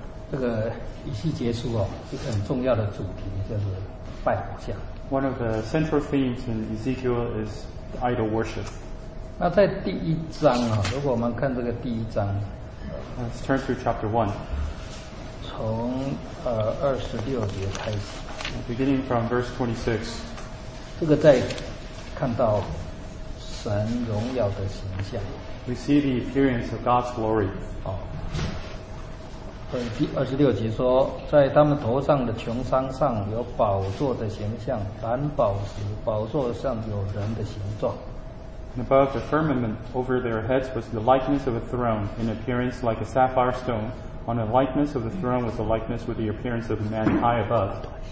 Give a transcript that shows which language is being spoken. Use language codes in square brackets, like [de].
[zh] 这个一系结束哦，一个很重要的主题就是拜偶像。 [en] One of the central themes in Ezekiel is idol worship. [zh] 那在第一章啊，如果我们看这个第一章 [en] ，Let's turn to chapter one. [zh] 从二十六节开始 [en] ，beginning from verse 26. [zh] 这个在看到神荣耀的形象。 [en] We see the appearance of God's glory. 哦。 [zh] 第二十六节说，在他们头上的穹苍上有宝座的形象，蓝宝石，宝座上有人的形状。 [en] And above the firmament over their heads was the likeness of a throne, in appearance like a sapphire stone. On the likeness of the throne was the likeness with the appearance of a man high above.